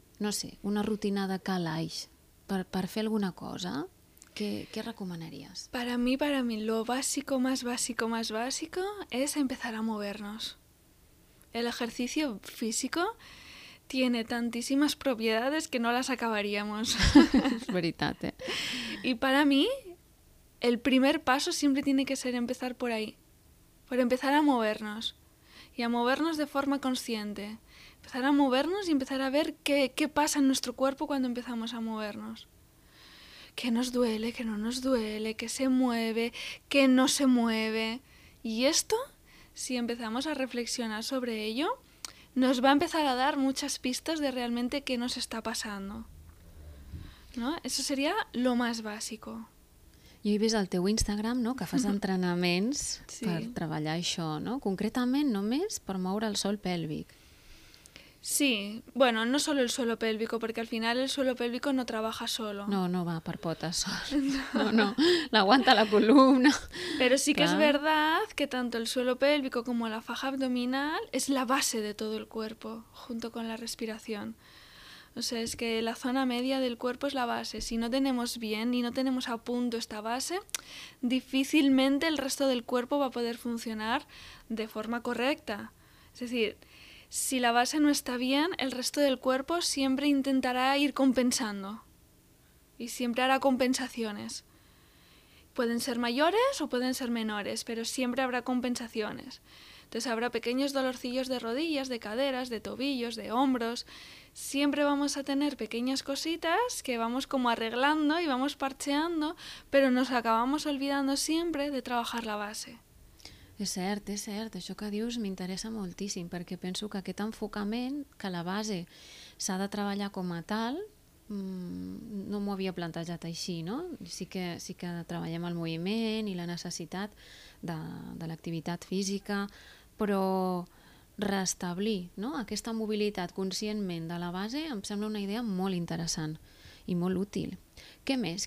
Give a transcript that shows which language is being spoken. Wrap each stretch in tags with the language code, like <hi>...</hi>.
<ca>No sé, una rutina de calaix per fer alguna cosa, què recomanaries?</ca> <es>Para mí, lo básico, más básico, más básico es empezar a movernos. El ejercicio físico tiene tantísimas propiedades que no las acabaríamos.</es> <ca>Es veritat, eh?</ca> <es>Y para mí, el primer paso siempre tiene que ser empezar por ahí. Por empezar a movernos y a movernos de forma consciente. Empezar a movernos y empezar a ver qué pasa en nuestro cuerpo cuando empezamos a movernos. ¿Qué nos duele? ¿Qué no nos duele? ¿Qué se mueve? ¿Qué no se mueve? Y esto, si empezamos a reflexionar sobre ello, nos va a empezar a dar muchas pistas de realmente qué nos está pasando, ¿no? Eso sería lo más básico.</es> <ca>Jo he vist el teu Instagram, no?, que fas entrenaments sí. Per treballar això, no? Concretament només per moure el sòl pèlvic.</ca> <es>Sí, bueno, no solo el suelo pélvico, porque al final el suelo pélvico no trabaja solo.</es> <ca>No va per potes sol. No, l'aguanta la columna.</ca> <es>Pero sí que es verdad que tanto el suelo pélvico como la faja abdominal es la base de todo el cuerpo, junto con la respiración. O sea, es que la zona media del cuerpo es la base. Si no tenemos bien y no tenemos a punto esta base, difícilmente el resto del cuerpo va a poder funcionar de forma correcta. Es decir, si la base no está bien, el resto del cuerpo siempre intentará ir compensando. Y siempre hará compensaciones. Pueden ser mayores o pueden ser menores, pero siempre habrá compensaciones. Entonces habrá pequeños dolorcillos de rodillas, de caderas, de tobillos, de hombros. Siempre vamos a tener pequeñas cositas que vamos como arreglando y vamos parcheando, pero nos acabamos olvidando siempre de trabajar la base.</es> <ca>És cert. Això que dius m'interessa moltíssim, perquè penso que aquest enfocament, que la base s'ha de treballar com a tal, no m'ho havia plantejat així, no? Sí que treballem el moviment i la necessitat de l'activitat física, però restablir, no?, aquesta mobilitat conscientment de la base em sembla una idea molt interessant i molt útil. Què més?</ca>